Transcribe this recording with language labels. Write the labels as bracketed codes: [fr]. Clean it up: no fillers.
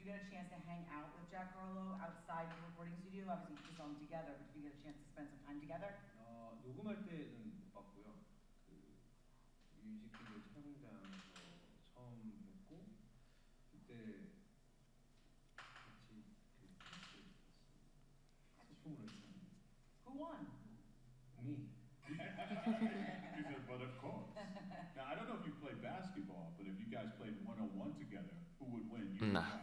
[en] chance to hang out with Jack Harlow outside the recording studio? Obviously, you just own together, but did you get a chance to spend some time together? [ko] 녹음할 때는 못 봤고요. 그 뮤직비디오 촬영장에서 처음 뵙고 그때 같이 그 소통을 했었는데. [en] Who won? Me. He said, but of course. Now, I don't know if you play basketball, but if you guys played 1-on-1 together, who would win?